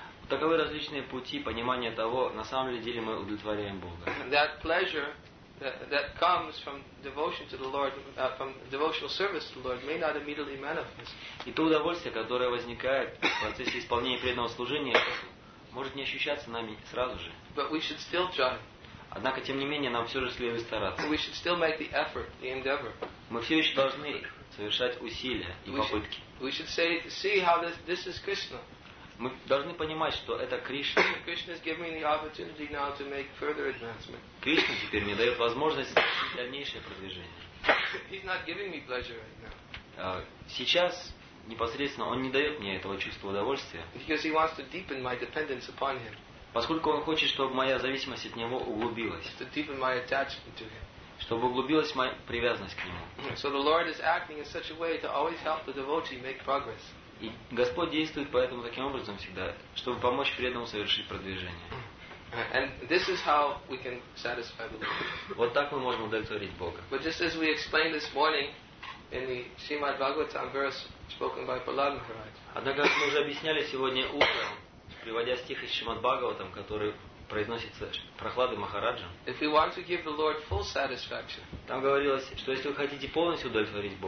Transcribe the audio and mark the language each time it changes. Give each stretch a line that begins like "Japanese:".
Russian: Таковы различные пути понимания того, на самом ли деле мы удовлетворяем Бога.
English: That pleasure that comes from devotion to the Lord, from devotional service to the Lord, may not immediately manifest.
Russian: И то удовольствие, которое возникает в процессе исполнения преданного служения, может не ощущаться нами сразу же.
English: But we should still try.
Russian: Однако, тем не менее, нам все же следует стараться.
English: We should still make the effort, the endeavor.
Russian: Мы все еще должны совершать усилия и попытки.
English: We should say, see how this is Krishna.
Russian: Мы должны понимать, что это Кришна.
English: Krishna has given me the opportunity now to make further advancement.
Russian: Кришна теперь мне дает возможность дальнейшее продвижение.
English: He's not giving me pleasure right now.
Russian: Сейчас непосредственно он не дает мне этого чувства удовольствия.
English: Because he wants to deepen my dependence upon him.
Russian: Поскольку он хочет, чтобы моя зависимость от него углубилась.
English: To deepen my attachment to him.
Russian: Чтобы углубилась моя привязанность к нему.
English: So the Lord is acting in such a way to always help the devotee make progress.
Russian: И Господь действует поэтому таким образом всегда, чтобы помочь преданному совершить продвижение.
English: And this is how we can satisfy the Lord.
Russian: Вот так мы можем удовлетворить Бога.
English: But just as we explained this morning in the Srimad Bhagavatam verse spoken by Prahlad Maharaj.
Russian: Однако мы уже объясняли сегодня утром, приводя стих из Шримад Бхагаватам, который произносится Прахлады Махараджа.
English: If we want to give the Lord full satisfaction,
Russian: там говорилось, что если вы хотите полностью удовлетворить